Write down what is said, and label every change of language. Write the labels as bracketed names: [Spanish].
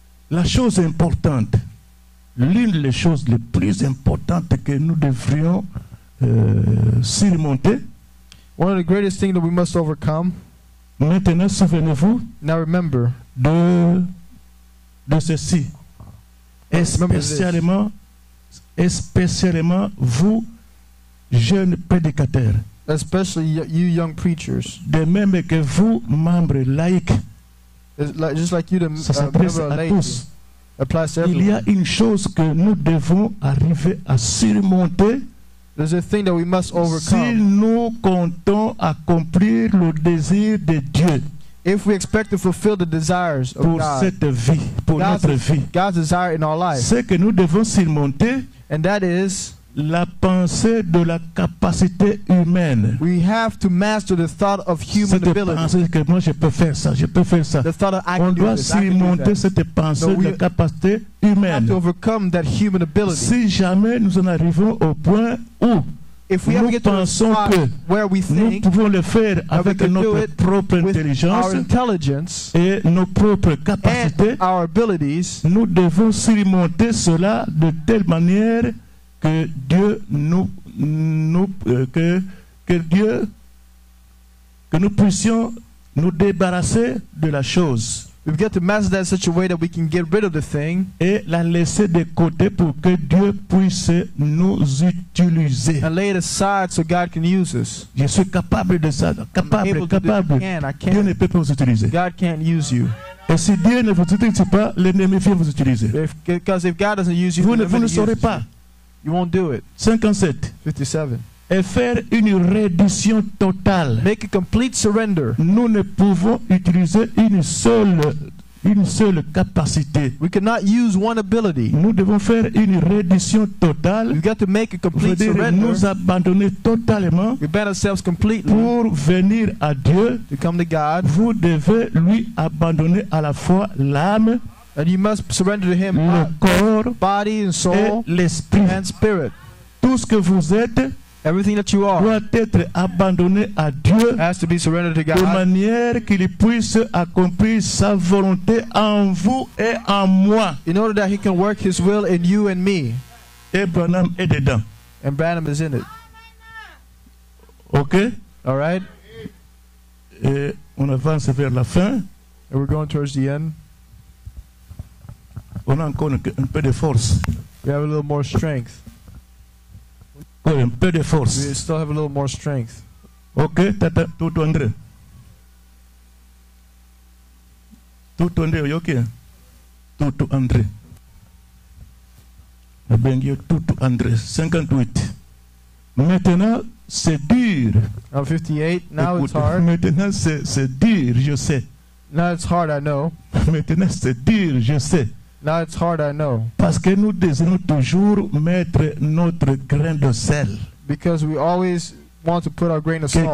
[French] La chose importante, l'une des choses les plus importantes que nous devrions surmonter. [English] One of the greatest things that we must overcome. [French] Maintenant, souvenez-vous. [English] Now remember. [French] De ceci. Especially vous, jeunes prédicateurs. [English] Especially you young preachers. [French] De même que vous, membres laïcs. [English] Just like you, the members of laïcs. Applies to everyone. [French] Il y a une chose que nous devons arriver à surmonter. [English] There's a thing that we must overcome. [French] Si nous comptons accomplir le désir de Dieu. [English] If we expect to fulfill the desires of [French] pour [English] God. [French] Pour cette vie, pour God's, notre vie. [English] God's desire in our life. [French] Ce que nous devons surmonter. [English] And that is. [French] la pensée de la capacité humaine. [English] We have to master the thought of human ability. [French] Pensée que moi je peux faire ça, je peux faire ça. [English] The thought of I can do [French] this. On doit surmonter cette pensée de capacité humaine. [English] We have to overcome that human ability. [French] Si jamais nous en arrivons au point où [English] if we [French] nous pensons que [English] where we think [French] nous pouvons le faire avec notre propre intelligence et nos propres capacités, [English] and our abilities, [French] nous devons surmonter cela de telle manière que Dieu nous puissions nous débarrasser de la chose. [English] We've got to master that in such a way that we can get rid of the thing [French] et la laisser de côté pour que Dieu puisse nous utiliser. [English] And lay it aside so God can use us. [French] Je suis capable de ça. Capable. [English] I can. [French] Dieu ne peut pas vous utiliser. [English] God can't use you. [French] Et si Dieu ne vous utilise pas, l'ennemi vient vous utiliser. [English] Because if God doesn't use you, [French] vous ne saurez pas. [English] You won't do it. [French] 57. Et faire une reddition totale. [English] Make a complete surrender. [French] Nous ne pouvons utiliser une seule capacité. [English] We cannot use one ability. [French] Nous devons faire une reddition totale. [English] We've got to make a complete surrender. [French] Nous abandonner totalement. [English] We bend ourselves completely. [French] Pour venir à Dieu. [English] To come to God. [French] Vous devez lui abandonner à la fois l'âme. [English] And you must surrender to him [French] le corps, [English] body and soul, [French] et l'esprit. [English] And spirit. [French] Tout ce que vous êtes, [English] everything that you are, [French] doit être abandonné à Dieu, [English] has to be surrendered to God, [French] de manière qu'il puisse accomplir sa volonté en vous et en moi. [English] In order that he can work his will in you and me. [French] Et Branham est dedans. [English] And Branham is in it. Okay. All right. [French] Et on avance vers la fin. [English] And we're going towards the end. [French] On a encore un peu de force. [English] We have a little more strength. [French] Oui, un peu de force. [English] We still have a little more strength. [French] Ok, tata, tout André. Tout André, ok. Tout André. Eh bien, tout André. 58. Maintenant, c'est dur. [English] Now 58, now [French] écoute, [English] it's hard. [French] Maintenant, c'est dur, je sais. [English] Now it's hard, I know. [French] Maintenant, c'est dur, je sais. [English] Now it's hard, I know. [French] Parce que nous désirons toujours mettre notre grain de sel. [English] Because we always want to put our grain of salt.